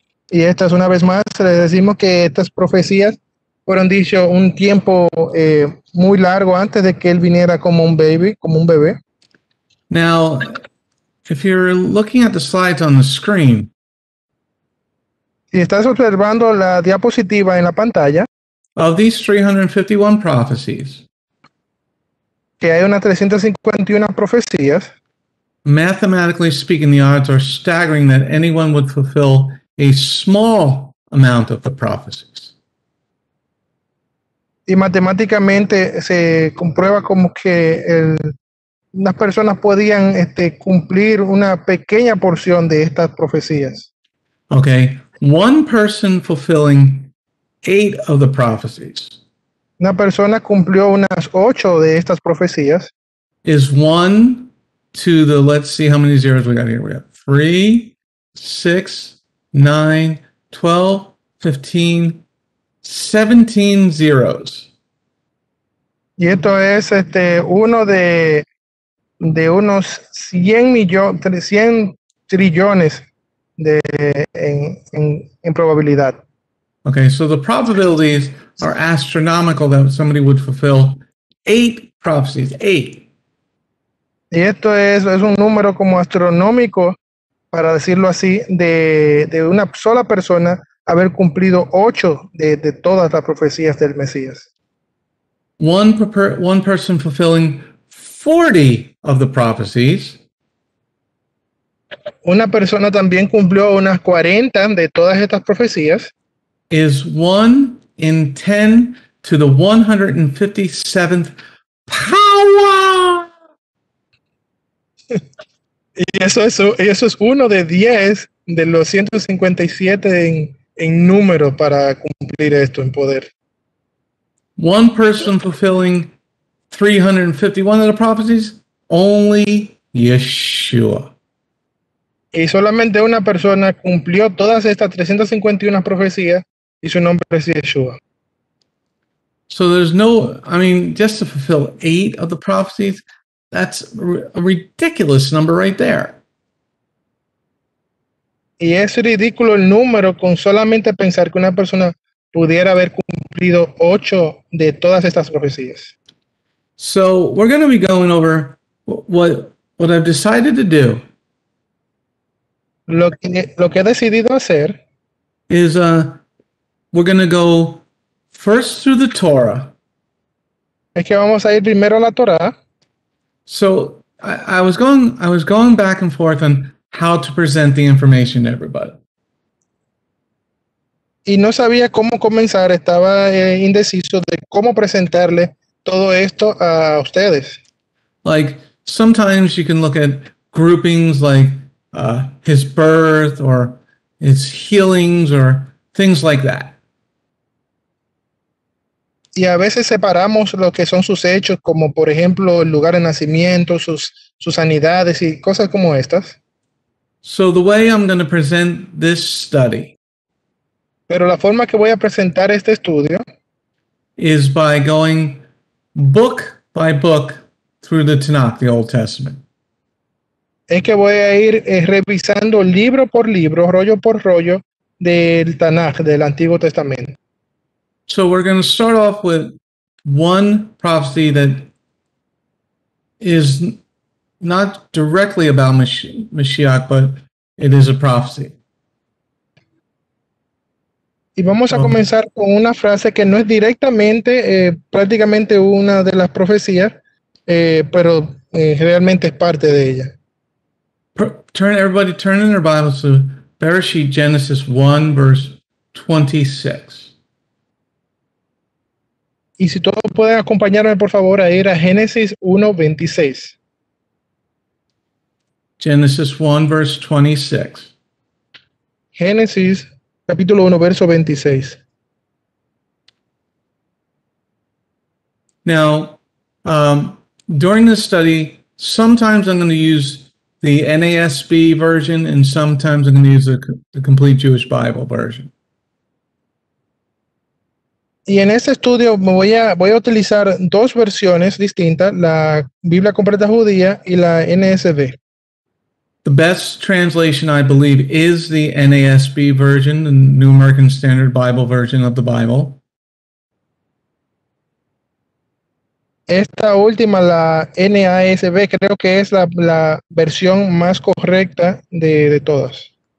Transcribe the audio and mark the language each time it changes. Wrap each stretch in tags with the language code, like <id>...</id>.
<es>Y estas, una vez más, les decimos que estas profecías fueron dicho un tiempo muy largo antes de que él viniera como un</es> <en>baby,</en> <es>como un bebé.</es> <en>Now, if you're looking at the slides on the screen,</en> <es>si estás observando la diapositiva en la pantalla,</es> <en>of these 351 prophecies,</en> <es>que hay unas 351 profecías,</es> <en>mathematically speaking, the odds are staggering that anyone would fulfill a small amount of the prophecies.</en> <es>Y matemáticamente se comprueba como que las personas podían cumplir una pequeña porción de estas profecías.</es> <en>Okay, one person fulfilling 8 of the prophecies.</en> <es>Una persona cumplió unas 8 de estas profecías.</es> <en>Is 1 to the, let's see how many zeros we got here. We got 3, 6, 9, 12, 15, 17 zeros.</en> <es>Y esto es uno de unos 100 millones, 100 trillones de en probabilidad.</es> <en>Okay, so the probabilities are astronomical that somebody would fulfill 8 prophecies, 8.</en> <es>Y esto es un número como astronómico, para decirlo así, de una sola persona haber cumplido 8 de todas las profecías del Mesías.</es> <en>One person fulfilling 40 of the prophecies.</en> <es>Una persona también cumplió unas 40 de todas estas profecías.</es> <en>Is 1 in 10 to the 157th power.</en> <es>Y eso es uno de 10 de los 157 en número para cumplir esto en poder.</es> <en>One person fulfilling 351 of the prophecies, only Yeshua.</en> <es>Y solamente una persona cumplió todas estas 351 profecías y su nombre es Yeshua.</es> <en>So there's no, I mean, just to fulfill 8 of the prophecies, that's a ridiculous number right there.</en> <es>Y es ridículo el número con solamente pensar que una persona pudiera haber cumplido 8 de todas estas profecías.</es> <en>So we're going to be going over what I've decided to do.</en> <es>Lo que he decidido hacer</es> <en>is we're going to go first through the Torah.</en> <es>Es que vamos a ir primero a la Torah.</es> <en>So I was going back and forth on how to present the information to everybody.</en> <es>Y no sabía cómo comenzar, estaba indeciso de cómo presentarle todo esto a ustedes.</es> <en>Like, sometimes you can look at groupings like his birth or his healings or things like that.</en> <es>Y a veces separamos lo que son sus hechos, como por ejemplo el lugar de nacimiento, sus sanidades y cosas como estas.</es> <en>So the way I'm going to present this study,</en> <es>pero la forma que voy a presentar este estudio,</es> <en>is by going book by book through the Tanakh, the Old Testament.</en> <es>Es que voy a ir revisando libro por libro, rollo por rollo, del Tanakh, del Antiguo Testamento.</es> <en>So we're going to start off with one prophecy that is not directly about Mashiach, but it is a prophecy.</en> <es>Y vamos a comenzar con una frase que no es directamente, prácticamente una de las profecías, pero realmente es parte de ella.</es> <en>Turn in their Bibles to Bereshit, Genesis 1, verse 26.</en> <es>Y si todos pueden acompañarme, por favor, a ir a Génesis 1, 26.</es> <en>Genesis 1, verse 26.</en> <es>Génesis, capítulo 1, verso 26.</es> <en>Now, during this study, sometimes I'm going to use the NASB version, and sometimes I'm going to use the Complete Jewish Bible version.</en> <es>Y en este estudio me voy a utilizar dos versiones distintas, la Biblia completa judía y la NSB.</es> <en>The best translation, I believe, is the NASB version, the New American Standard Bible version of the Bible.</en> <es>Esta última, la NASB, creo que es la versión más correcta de todas.</es>